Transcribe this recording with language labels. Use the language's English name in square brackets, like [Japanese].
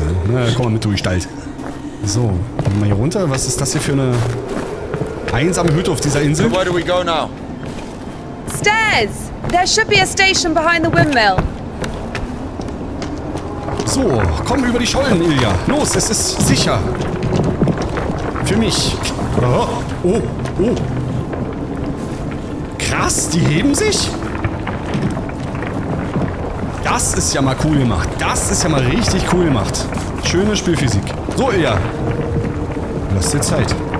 [German] Na, komm mal mit, du Gestalt. So, gehen wir mal hier runter. Was ist das hier für eine einsame Hütte auf dieser Insel? [English] Where do we go now? Stairs! There should be a station behind the windmill. [German] So, komm über die Schollen, Ilja. Los, es ist sicher. Für mich. Oh, oh. Krass, die heben sich? Das ist ja mal cool gemacht. Das ist ja mal richtig cool gemacht. Schöne Spielphysik. So, Ilja. Lass dir Zeit.